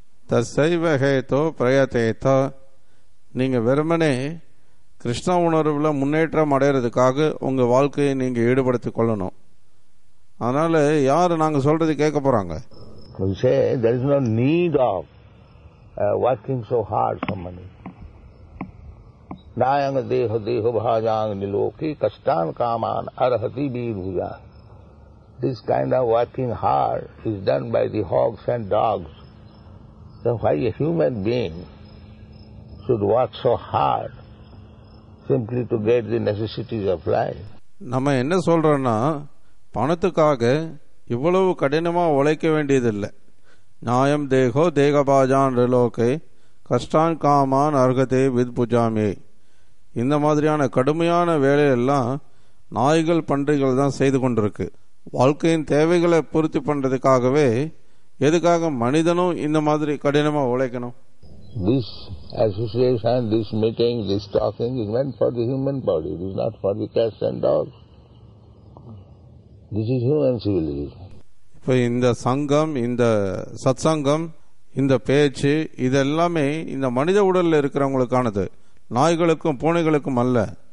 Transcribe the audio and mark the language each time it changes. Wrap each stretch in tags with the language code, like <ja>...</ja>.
<sa>தசைவகேதோ பிரயதேதோ,</sa> <ta>நீங்க வெறுமனே கிருஷ்ண உணர்வுல முன்னேற்றம் அடையறதுக்காக உங்க வாழ்க்கையை நீங்க ஈடுபடுத்திக் கொள்ளணும். அதனால யாரு நாங்க சொல்றது கேட்க போறாங்க?</ta> <en>There is no need of working so hard for money.</en> <sa>நாயங்க தேஹ தேஹ பாஜாங் நிலோகி கஷ்டான் come on அர்ஹதி வீர்புஜா.</sa> <en>This kind of working hard is done by the hogs and dogs. So why a human being should work so hard simply to get the necessities of life?</en> <ta>நம்ம என்ன சொல்றோம்னா பணத்துக்காக இவ்வளவு கடினமா உழைக்க வேண்டியதில்லை.</ta> <sa>நாயம் தேகோ தேகபாஜான் லோகே கஷ்டான் காமான் அர்ஹதே வித்புஜாமே.</sa> <ta>இந்த மாதிரியான கடுமையான வேலையெல்லாம் நாய்கள் பன்றிகள் தான் செய்து கொண்டிருக்கு. வாழ்க்கையின் தேவைகளை பூர்த்தி பண்றதுக்காகவே எதுக்காக மனிதனும் இந்த மாதிரி கடினமா உழைக்கணும்?</ta> <en>This association, this meeting, this talking is meant for the human body. It is not for the cats and dogs. This is human civilization.</en> <ta>இப்ப இந்த சங்கம், இந்த சத்சங்கம், இந்த பேச்சு, இதெல்லாமே இந்த மனித உடல்ல இருக்கிறவங்களுக்கானது, நாய்களுக்கும் பூனைகளுக்கும் அல்ல.</ta>